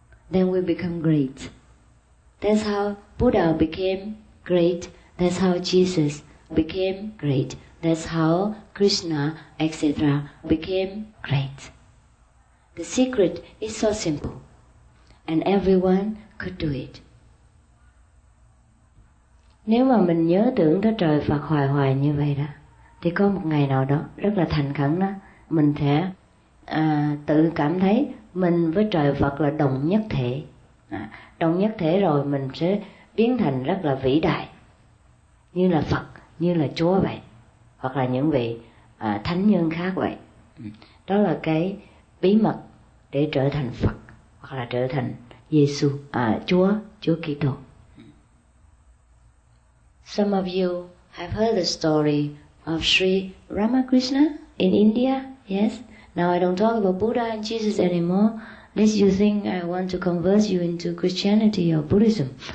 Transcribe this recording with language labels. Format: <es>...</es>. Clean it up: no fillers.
<en>Then we become great. That's how Buddha became great. That's how Jesus became great. That's how Krishna, etc., became great. The secret is so simple, and everyone could do it.</en> <vi>Nếu mà mình nhớ tưởng tới trời Phật hoài hoài như vậy đó, thì có một ngày nào đó rất là thành khẩn đó, mình sẽ tự cảm thấy mình với trời Phật là đồng nhất thể. Đồng nhất thể rồi mình sẽ biến thành rất là vĩ đại, như là Phật, như là Chúa vậy, hoặc là những vị thánh nhân khác vậy. Đó là cái bí mật để trở thành Phật, hoặc là trở thành Giê-xu, Chúa Kitô.</vi> <en>Some of you have heard the story of Sri Ramakrishna in India, yes? Now I don't talk about Buddha and Jesus anymore, lest you think I want to convert you into Christianity or Buddhism.</en>